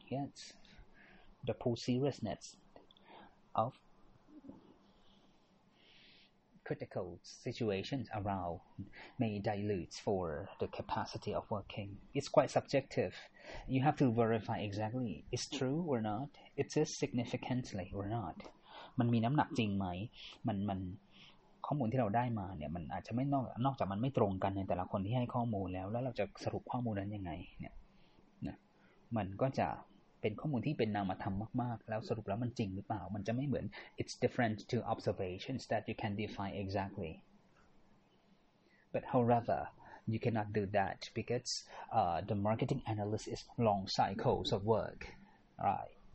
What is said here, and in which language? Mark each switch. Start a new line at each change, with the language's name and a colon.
English: Yes, the poor seriousness of critical situations around may dilute for the capacity of working. It's quite subjective. You have to verify exactly it's true or not. It is significantly or not.
Thai: มันมีน้ำหนักจริงไหมมันข้อมูลที่เราได้มาเนี่ยมันอาจจะไม่นอกจากมันไม่ตรงกันในแต่ละคนที่ให้ข้อมูลแล้วเราจะสรุปข้อมูลนั้นยังไงเนี่ยนะมันก็จะเป็นข้อมูลที่เป็นนามธรรมมากๆแล้วสรุปแล้วมันจริงหรือเปล่ามันจะไม่เหมือน
English: it's different to observations that you can define exactly but however You cannot do that because the marketing analyst is long cycles of work, right?